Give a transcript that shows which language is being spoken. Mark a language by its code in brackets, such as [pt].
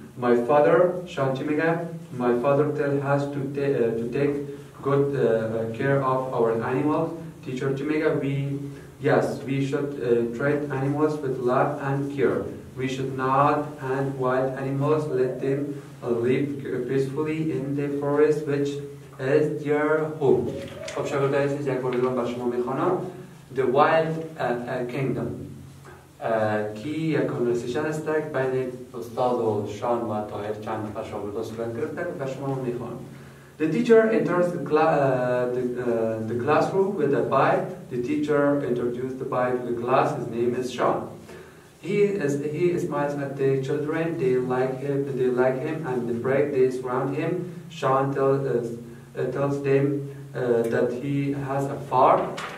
[en] My father, Sean Chimega, my father tells us to take good care of our animals. Teacher Chimega, we should treat animals with love and care. We should not hunt wild animals, let them live peacefully in the forest, which is their home. [fa] خب شاگرد عزیز، یک بار دیگر بر شما میخوانم. [en] The Wild Kingdom. [fa] کی یک کنورسیشن است که بین استاد و شان و طاهر چند نفر شاگرد صورت گرفته که به شما میخوانم. [en] The teacher enters the classroom with a bye. The teacher introduced the bye to the class. His name is Sean. He smiles at the children. They like him and the break they surround him. Sean tells them that he has a farm.